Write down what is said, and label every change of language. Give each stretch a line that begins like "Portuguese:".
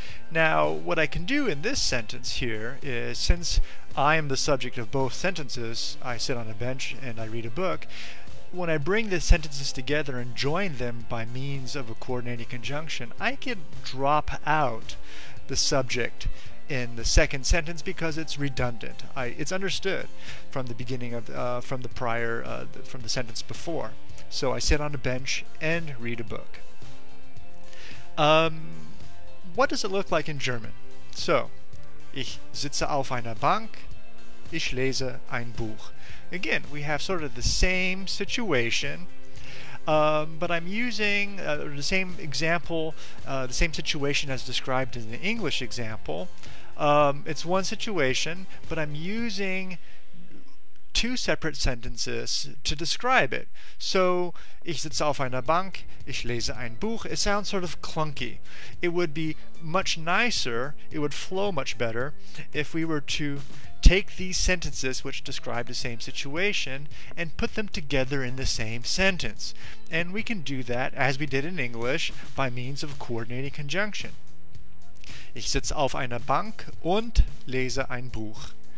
English: Now, what I can do in this sentence here is, since I am the subject of both sentences, I sit on a bench and I read a book, when I bring the sentences together and join them by means of a coordinating conjunction, I can drop out the subject in the second sentence because it's redundant. It's understood from the beginning of from the sentence before. So I sit on a bench and read a book. What does it look like in German?
German: So, ich sitze auf einer Bank, ich lese ein Buch.
English: Again, we have sort of the same situation, but I'm using the same example, the same situation as described in the English example. It's one situation, but I'm using two separate sentences to describe it.
German: So, ich sitze auf einer Bank, ich lese ein Buch.
English: It sounds sort of clunky. It would be much nicer, it would flow much better, if we were to take these sentences which describe the same situation and put them together in the same sentence. And we can do that, as we did in English, by means of a coordinating conjunction.
German: Ich sitze auf einer Bank und lese ein Buch.